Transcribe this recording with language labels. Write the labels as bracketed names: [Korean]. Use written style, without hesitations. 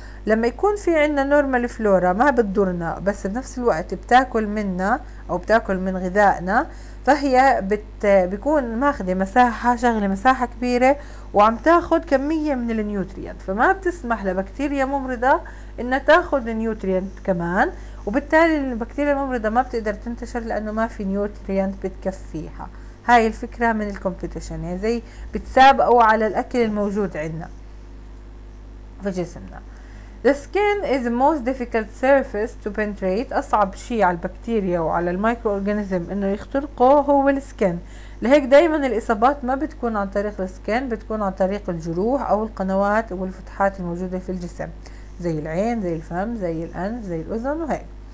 [Arabic] لما يكون في عنا نورمال فلورا ما بتضرنا، بس بنفس الوقت بتاكل منا أو بتاكل من غذائنا، فهي بيكون ماخذة مساحة، شغلة مساحة كبيرة، وعم تاخد كمية من النيوتريانت، فما بتسمح لبكتيريا ممرضة إنها تاخد نيوتريانت كمان، وبالتالي البكتيريا الممرضة ما بتقدر تنتشر لأنه ما في نيوتريانت بتكفيها. هاي الفكرة من الكومبيتيشن، يعني زي بتسابقوا على الأكل الموجود عندنا في جسمنا. [English] The skin is the most difficult surface to penetrate. [Arabic] أصعب شيء على البكتيريا وعلى الميكروأورجانيزم إنه يخترقه هو السكن. لهيك دائما الإصابات ما بتكون عن طريق السكن، بتكون عن طريق الجروح أو القنوات والفتحات الموجودة في الجسم، زي العين، زي الفم، زي الأنف، زي الأذن وهيك.